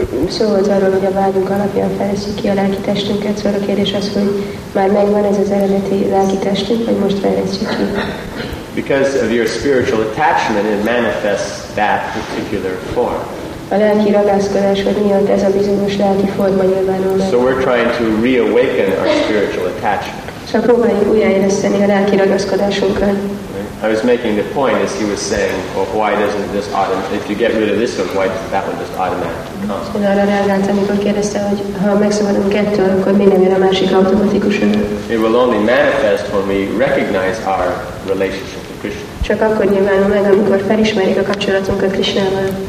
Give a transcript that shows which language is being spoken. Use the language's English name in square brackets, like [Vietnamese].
[Hungarian] Szó volt arról, hogy a vágyunk alapján fejlesztjük ki a lelki testünket, szóval a kérdés az, hogy már megvan ez az eredeti lelki testünk, vagy most fejlesztjük ki? [English] Because of your spiritual attachment, it manifests that particular form. [Hungarian] A lelki ragaszkodás, hogy miatt ez a bizonyos lelki forma nyilvánul meg. [English] So we're trying to reawaken our spiritual attachment. [Hungarian] Szóval próbáljuk újjáéleszteni a lelki ragaszkodásunkat. [English] I was making the point as he was saying, well, why doesn't this automatically, if you get rid of this one, why does that one just automatically come? It will only manifest when we recognize our relationship to Krishna. [Hungarian] Csak akkor nyilvánul meg, amikor felismerjük a kapcsolatunkat Krishnával.